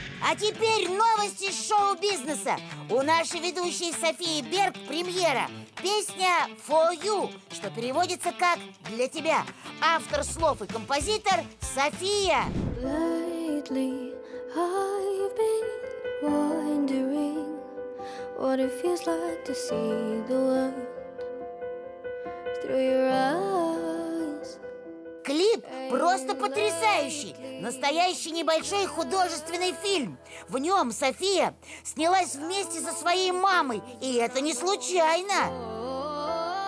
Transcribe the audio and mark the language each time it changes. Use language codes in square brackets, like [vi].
[ru] А теперь новости шоу-бизнеса. У нашей ведущей Софии Берг премьера. Песня «For You», что переводится как «Для тебя». Автор слов и композитор София. [en] Lately I've been wondering what it feels like to see the world through your eyes. [ru] Клип просто потрясающий, настоящий небольшой художественный фильм. В нем София снялась вместе со своей мамой, и это не случайно.